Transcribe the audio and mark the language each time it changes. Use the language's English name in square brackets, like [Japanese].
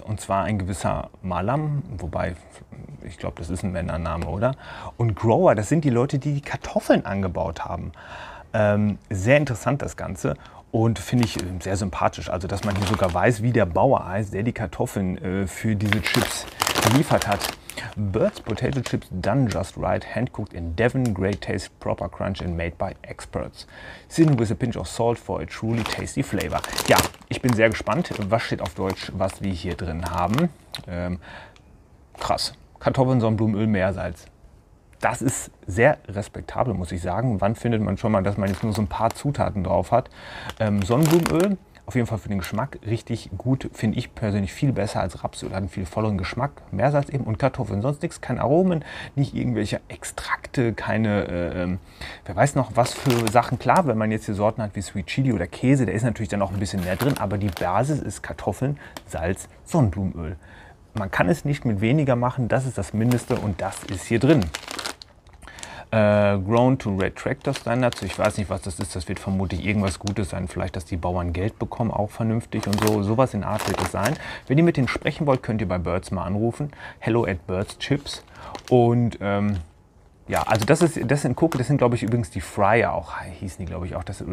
[German] Und zwar ein gewisser Malam, wobei ich glaube, das ist ein Männername, oder? Und Grower, das sind die Leute, die die Kartoffeln angebaut haben. Sehr interessant das Ganze und finde ich sehr sympathisch. Also, dass man hier sogar weiß, wie der Bauer heißt, der die Kartoffeln für diese Chips geliefert hat. [English] Birds Potato Chips Done Just Right, Handcooked in Devon, Great Taste, Proper Crunch and Made by Experts. Seasoned with a Pinch of Salt for a Truly Tasty Flavor. [German] Ja, ich bin sehr gespannt, was steht auf Deutsch, was wir hier drin haben. Krass. Kartoffeln, Sonnenblumenöl, Meersalz. Das ist sehr respektabel, muss ich sagen. Wann findet man schon mal, dass man jetzt nur so ein paar Zutaten drauf hat? Sonnenblumenöl. Auf jeden Fall für den Geschmack richtig gut, finde ich persönlich viel besser als Rapsöl, hat einen viel volleren Geschmack, Meersalz eben und Kartoffeln, sonst nichts, keine Aromen, nicht irgendwelche Extrakte, keine, wer weiß noch, was für Sachen. Klar, wenn man jetzt hier Sorten hat wie Sweet Chili oder Käse, der ist natürlich dann auch ein bisschen mehr drin, aber die Basis ist Kartoffeln, Salz, Sonnenblumenöl. Man kann es nicht mit weniger machen, das ist das Mindeste und das ist hier drin. [English] Grown to Red Tractor Standards. [German] Ich weiß nicht, was das ist. Das wird vermutlich irgendwas Gutes sein. Vielleicht, dass die Bauern Geld bekommen, auch vernünftig und so. Sowas in Art wird es sein. Wenn ihr mit denen sprechen wollt, könnt ihr bei Birds mal anrufen. Hello at Birds Chips. Und ja, also das sind, glaube ich, übrigens die Fryer auch, hießen die, glaube ich, auch.